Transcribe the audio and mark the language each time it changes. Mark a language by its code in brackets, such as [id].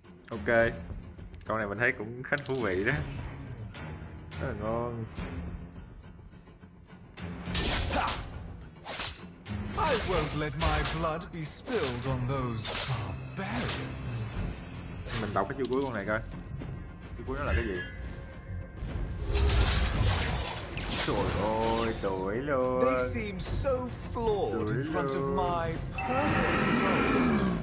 [vi] Ok, con này mình thấy cũng khá thú vị đó, rất là ngon. [en] I won't let my blood be spilled on those barbarians. [vi] Mình đọc cái chiêu cuối con này coi, chiêu cuối nó là cái gì? Trời ơi, đuổi luôn. [en] They seem so flawed in front of my perfect soul.